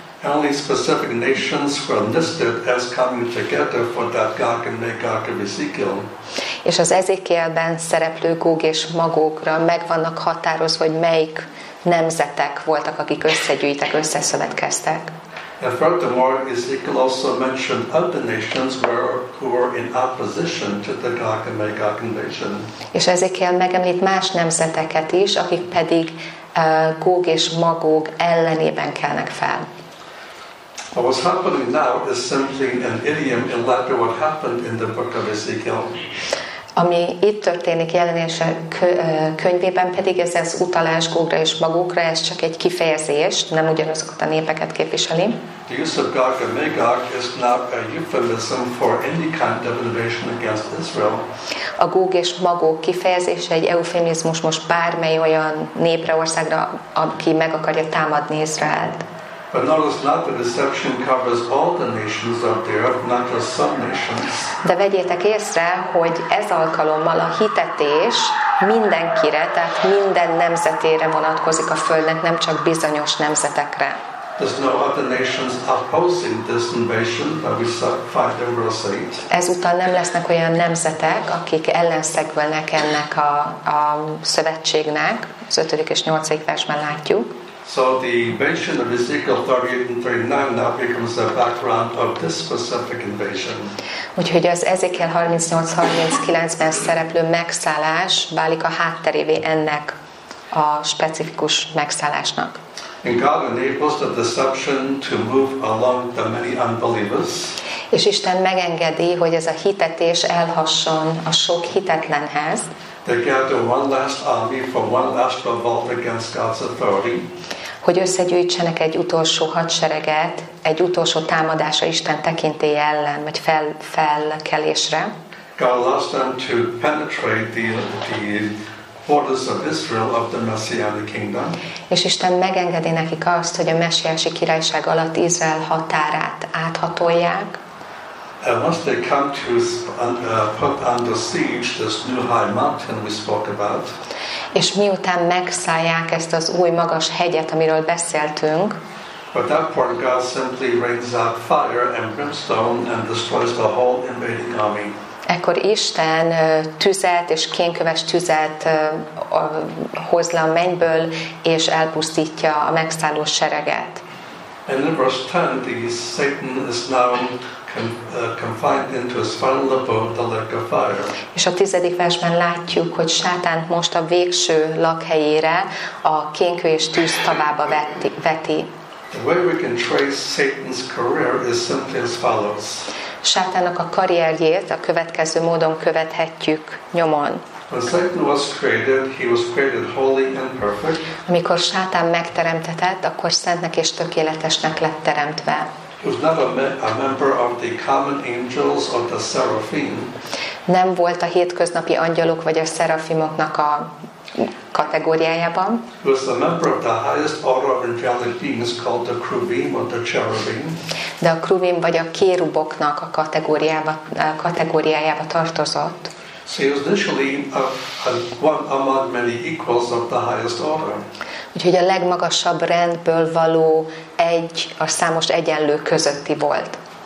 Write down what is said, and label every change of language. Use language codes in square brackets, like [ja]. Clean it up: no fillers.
[en] Only specific nations were listed as coming together for that Gog and Magog of Ezekiel. [hu] És az Ezekielben szereplő Gog és Magogra meg vannak határozva, hogy melyik nemzetek voltak, akik összegyűjtek, összeszövetkeztek. [en] And furthermore, Ezekiel also mentioned other nations who were in opposition to the Gog and Magog invasion. [hu] És Ezekiel megemlít más nemzeteket is, akik pedig Gog és Magog ellenében kelnek fel. [en] What was happening now is simply an idiom in light of what happened in the book of Ezekiel. [hu] Ami itt történik jelenése könyvében, pedig ez az utalás Gogra és Magogra, ez csak egy kifejezés, nem ugyanazokat a népeket képviseli. [en] The use of Gog and Magog is not a euphemism for any kind of invasion against Israel. [hu] A Gog és Magog kifejezése egy eufemizmus most bármely olyan népre, országra, aki meg akarja támadni Izraelt. [en] But notice not the deception covers all the nations of the earth, not just some nations. [hu] De vegyétek észre, hogy ez alkalommal a hitetés mindenkire, tehát minden nemzetére vonatkozik a Földnek, nem csak bizonyos nemzetekre. [en] There's no other nations opposing this invasion, but we find in verse 8. [hu] Ezúttal nem lesznek olyan nemzetek, akik ellenszegülnek ennek a szövetségnek. Az 5. és 8. versben látjuk. [en] So the invasion of Ezekiel 38 and 39 now becomes the background of this specific invasion. [hu] Úgyhogy az Ezekiel 38-39-ben szereplő megszállás válik a hátterévé ennek a specifikus megszállásnak. [en] And God enables the deception to move along the many unbelievers. [hu] És Isten megengedi, hogy ez a hitetés elhasson a sok hitetlenhez. [en] They gather one last army for one last revolt against God's authority. [hu] Hogy összegyűjtsenek egy utolsó hadsereget, egy utolsó támadásra Isten tekintélye ellen, vagy felkelésre. [en] God allows them to penetrate the borders of Israel of the Messianic Kingdom. [hu] És Isten megengedi nekik azt, hogy a messiási királyság alatt Izrael határát áthatolják. [en] And once they come to put under siege this new high mountain we spoke about, [hu] és miután megszállják ezt az új magas hegyet, amiről beszéltünk, [en] but that part God simply rains out fire and brimstone and destroys the whole invading army. [hu] Ekkor Isten tüzet és kénköves tüzet hoz le a mennyből, és elpusztítja a megszálló sereget. [en] And in verse 10, Satan is now confined into his final abode, the lake of fire. [hu] És a 10. versben látjuk, hogy Sátán most a végső lakhelyére, a kénkő és tűz tavába veti. [en] The way we can trace Satan's career is simply as follows. [hu] Sátának a karrierjét a következő módon követhetjük nyomon. [en] When Satan was created, he was created holy and perfect. [hu] Amikor Sátán megteremtetett, akkor szentnek és tökéletesnek lett teremtve. [en] He was not a member of the common angels or the seraphim. [hu] Nem volt a hétköznapi angyalok vagy a szerafimoknak a kategóriájában. [en] He was a member of the highest order of angelic beings called the kruvim or the cherubim. [hu] De a kruvim vagy a kéruboknak a kategóriájába tartozott. [en] So he was initially one among many equals of the highest order. [hu] Úgyhogy a legmagasabb rendből való egy, a számos egyenlő közötti volt.